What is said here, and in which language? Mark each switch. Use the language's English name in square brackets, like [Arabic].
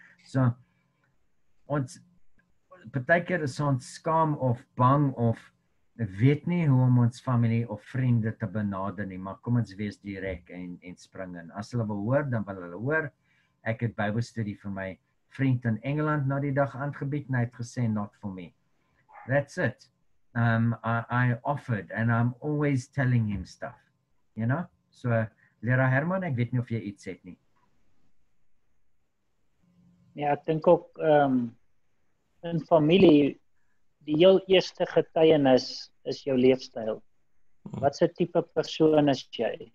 [Afrikaans] So, ons, partykeer is ons skaam of bang of weet nie hoe om ons familie of vriende te benader nie, maar kom ons wees direk en spring in. As hulle wil hoor, dan wil hulle hoor. Ek het Bybelstudie vir my vriend in Engeland na die dag aangebied en hy het gesê, [English] not for me. That's it. I offered and I'm always telling him stuff. You know? [Afrikaans] So, Lera Herman, ek weet nie of jy iets het nie. Ja, ek denk ook in familie, die heel eerste getuienis is jou leefstyl. Wat se type persoon is jy?